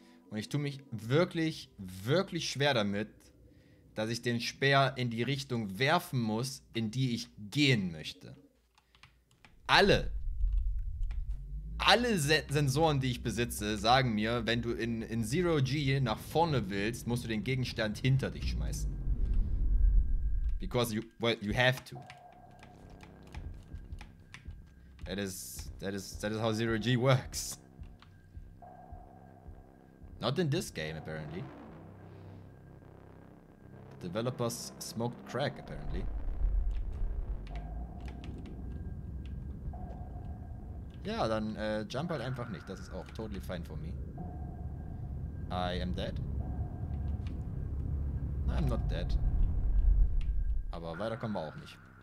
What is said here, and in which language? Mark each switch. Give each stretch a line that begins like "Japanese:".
German: Und ich tue mich wirklich, wirklich schwer damit, dass ich den Speer in die Richtung werfen muss, in die ich gehen möchte. Alle Sensoren, die ich besitze, sagen mir, wenn du in Zero G nach vorne willst, musst du den Gegenstand hinter dich schmeißen.
English: Because you, well, you have to. That is how Zero G works. Not in this game, apparently. Developers smoked crack, apparently.
German: Ja, dann jump halt einfach nicht. Das ist auch
English: totally fine for me. I am dead. I'm not dead.
German: Aber weiter kommen wir auch nicht.